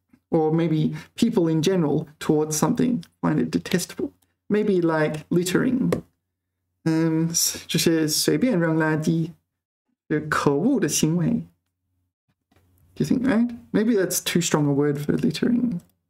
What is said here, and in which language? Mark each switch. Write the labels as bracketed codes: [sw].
[en] Or maybe people in general towards something find it detestable. Maybe like littering. [zh] 就是随便扔垃圾，可恶的行为. [en] Do you think, right? Maybe that's too strong a word for littering.